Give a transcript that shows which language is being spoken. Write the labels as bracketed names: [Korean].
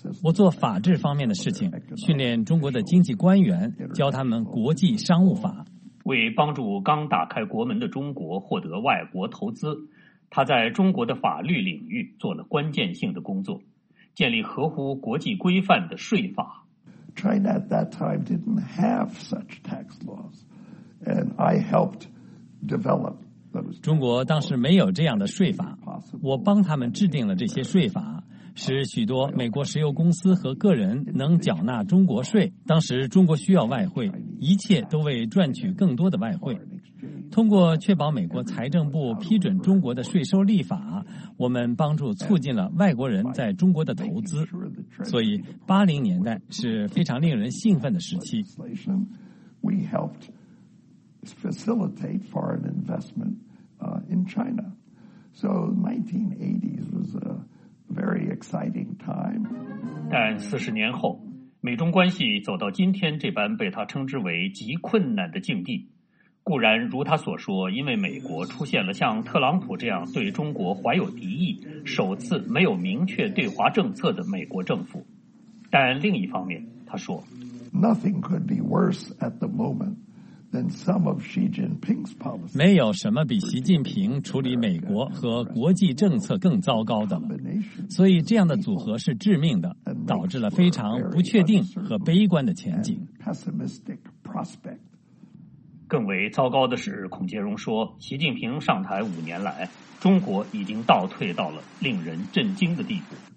[Chinese] 我做法治方面的事情，训练中国的经济官员，教他们国际商务法。为帮助刚打开国门的中国获得外国投资，他在中国的法律领域做了关键性的工作，建立合乎国际规范的税法。 [English] China at that time didn't have such tax laws, and I helped develop those. [Chinese] 中国当时没有这样的税法，我帮他们制定了这些税法，使许多美国石油公司和个人能缴纳中国税。当时中国需要外汇，一切都为赚取更多的外汇。通过确保美国财政部批准中国的税收立法，我们帮助促进了外国人在中国的投资。所以80年代是非常令人兴奋的时期。 [English] We helped facilitate foreign investment in China. So 1980s was a very exciting time. [Chinese] 但40年后，美中关系走到今天这般被他称之为极困难的境地，固然如他所说，因为美国出现了像特朗普这样对中国怀有敌意、首次没有明确对华政策的美国政府。但另一方面，他说 [English] ，Nothing could be worse at the moment than some of Xi Jinping's policy. [Chinese] 没有什么比习近平处理美国和国际政策更糟糕的了。所以这样的组合是致命的，导致了非常不确定和悲观的前景。 [English] Pessimistic prospect. [Chinese] 更为糟糕的是，孔杰荣说，习近平上台五年来，中国已经倒退到了令人震惊的地步。